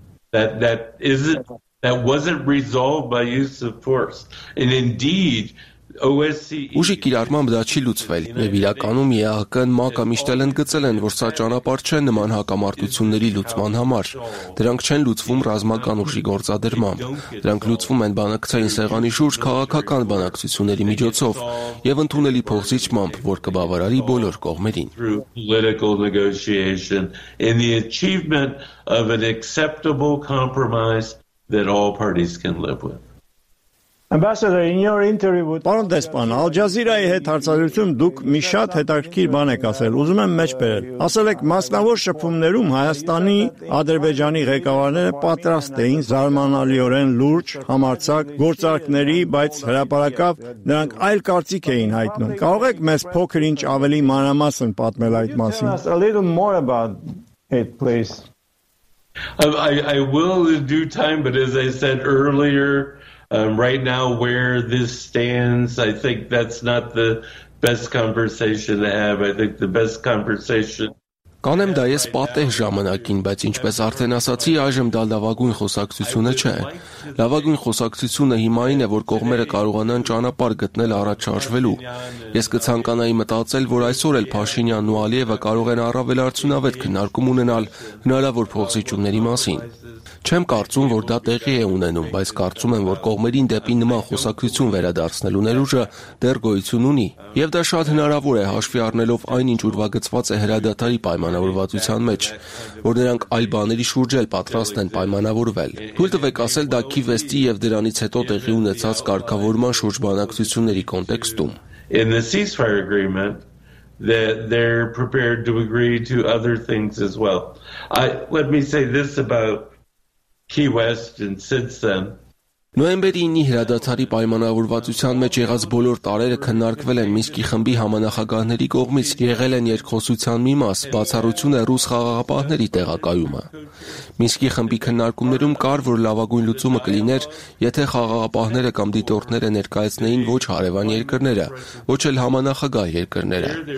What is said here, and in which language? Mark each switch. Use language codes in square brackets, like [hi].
[en] That wasn't resolved by use of force. And indeed, OSCE... [hy] Ուժի կիրառմամբ դա չի լուծվել, եւ իրականում ԵԱՀԿ-ն ՄԱԿ-ը միշտ էլ ընդգծել են, որ սա ճանապարհ չէ նման հակամարտությունների լուծման համար։ Դրանք չեն լուծվում ռազմական ուժի գործադրմամբ, դրանք լուծվում են բանակցային սեղանի շուրջ քաղաքական բանակցությունների միջոցով եւ ընդունելի փոխզիջմամբ, որ կբավարարի բոլոր կողմերին։ [en] Political negotiation and the achievement of an acceptable compromise that all parties can live with. Ambassador, in your interview with... [hy] Պարոն Դեսպան, Al Jazeera-ի հետ հարցադրությում դուք մի շատ հետաքրքիր բան եք ասել, ուզում եմ մեջ բերել։ Ասել եք, մասնավոր շփումներում Հայաստանի, Ադրբեջանի ղեկավարները պատրաստ էին զարմանալիորեն լուրջ, համարձակ գործարքների, բայց հրապարակավ նրանք այլ կարծիք էին հայտնում։ Կարող եք մեզ փոքրինչ ավելի մանրամասն պատմել այդ մասին։ [en] A little more about it, please. I will in due time, but as I said earlier, right now where this stands, I think that's not the best conversation to have. I think the best conversation. [hy] Կանեմ դա ես պատեն ժամանակին, բայց ինչպես արդեն ասացի, այժմ դա լավագույն խոսակցությունը չէ։ Լավագույն խոսակցությունը հիմա այն է, որ կողմերը կարողանան ճանապարհ գտնել առաջարկվելու։ Ես կցանկանայի մտածել, որ այսօր էլ Փաշինյանն ու Ալիևը կարող են առավել արդյունավետ քննարկում ունենալ հնարավոր փոխզիջումների մասին։ Չեմ կարծում, որ դա տեղի է ունենում, բայց կարծում եմ, որ կողմերին դեպի նման խոսակցություն վերադարձնելու ներուժը դեռ գոյություն ունի, եւ դա շատ հնարավոր է հաշվի առնելով այն, ինչ ուրվագծված է հրադադարի պայմանավորվածության մեջ, որ նրանք այլ բաների շուրջ էլ պատրաստ են պայմանավորվել։ Թույլ տվեք ասել, դա Key West-ի եւ դրանից հետո տեղի ունեցած կարգավորման շուրջ բանակցությունների կոնտեքստում։ [en] In the ceasefire agreement that they're prepared to agree to other things as well. Let me say this about Key West and since then. [hy] Նոյեմբերին հրադադարի պայմանավորվածության մեջ եղած բոլոր տարերը քննարկվել են Միսկի խմբի համանախագահների կողմից, եղել են երկխոսության մի մաս, բացառություն է ռուս խաղաղապահների տեղակայումը։ Միսկի խմբի քննարկումներում կար, որ լավագույն լուծումը կլիներ, եթե խաղաղապահները կամ դիտորդները ներկայացնեին ոչ հարևան երկրները, ոչ էլ համանախագահ երկրները։